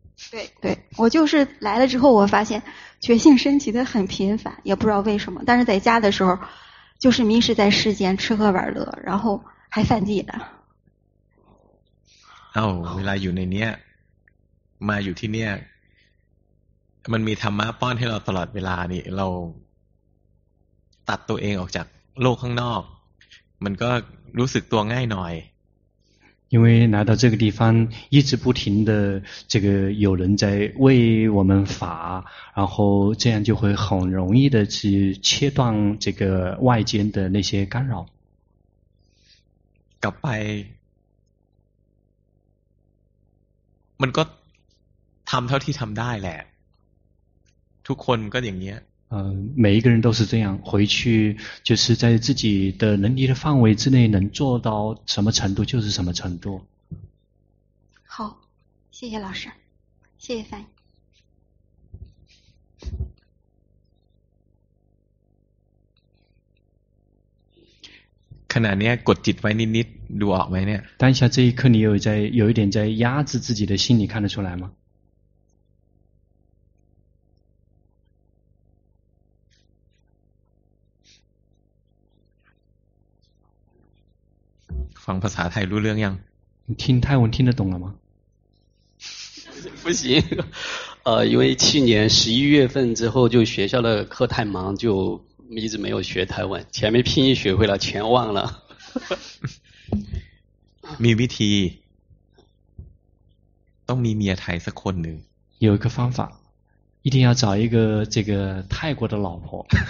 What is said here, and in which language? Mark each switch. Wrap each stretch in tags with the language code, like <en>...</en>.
<zh>对对我就是来了之后我发现觉性升起的很频繁也不知道为什么但是在家的时候就是迷失在世间吃喝玩乐然后还犯戒的</zh> <th>哦เวลาอยู่ในเนี้ยมาอยู่ที่เนี้ยมันมีธรรมะป้อนให้เราตลอดเวลานี่เราตัดตัวเองออกจากโลกข้างนอกมันก็รู้สึกตัวง่ายหน่อย</th> <zh>因为来到这个地方一直不停的这个有人在为我们法然后这样就会很容易的去切断这个外间的那些干扰</zh> <th>กลับไปมันก็ทำเท่าที่ทำได้แหละทุกคนก็อย่างเนี้ย</th> <zh>每一个人都是这样回去就是在自己的能力的范围之内能做到什么程度就是什么程度好谢谢老师谢谢翻译</zh> <th>ขณะนี้กดจิตไว้นิดๆดูออกไหมเนี่ย</th> <zh>当下这一刻你有在有一点在压制自己的心你看得出来吗</zh> <th>ฟังภาษาไทยรู้เรื่องยัง</th> <zh>听泰文听得懂了吗不行因为去年11月份之后就学校的课太忙就一直没有学泰文前面拼音学会了全忘了</zh> <th>มีวิธีต้องมีเมียไทยสักคนหนึ่ง</th> <zh>有一个方法一定要找一个这个泰国的老婆</zh>